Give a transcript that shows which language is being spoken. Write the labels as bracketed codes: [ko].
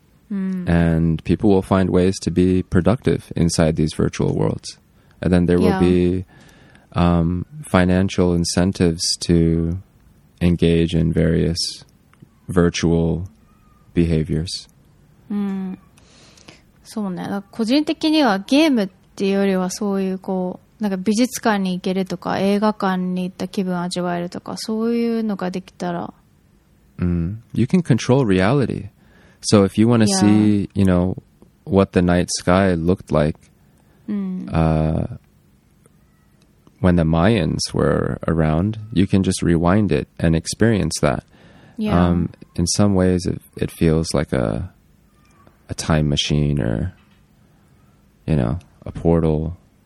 [en] And people will find ways to be productive inside these virtual worlds. And then there will be financial incentives to engage in various virtual behaviors. [ja] そうね。だから個人的にはゲームっていうよりはそういうこう、なんか美術館に行けるとか映画館に行った気分味わえるとかそういうのができたら、 [en] You can control reality. So if you want to see, you know, what the night sky looked like, when the Mayans were around, you can just rewind it and experience that. Yeah. In some ways, it feels like a time machine or, you know, a portal.